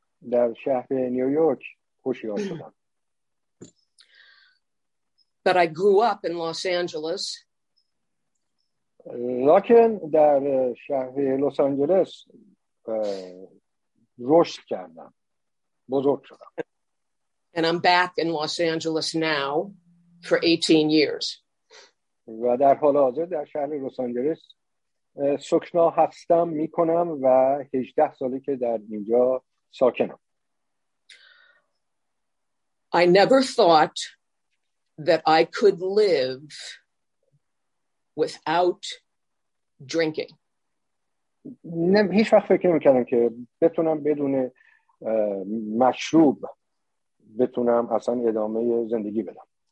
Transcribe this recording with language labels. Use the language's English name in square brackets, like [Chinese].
[Persian] در شهر نیویورک هوشیار شدم. [English] But I grew up in Los Angeles. [Persian] لکن در شهر لس آنجلس رشد کردم، بزرگ شدم. [English] And I'm back in Los Angeles now for 18 years. [Persian] و در حال حاضر در شهر لس آنجلس سکنا هستم میکنم و 18 سالی که در اینجا ساکنم. [English] I never thought that I could live without drinking. [Persian] هیچ وقت فکر نمی‌کردم که بتونم بدون مشروب بتونم اصلا ادامه زندگی بدم.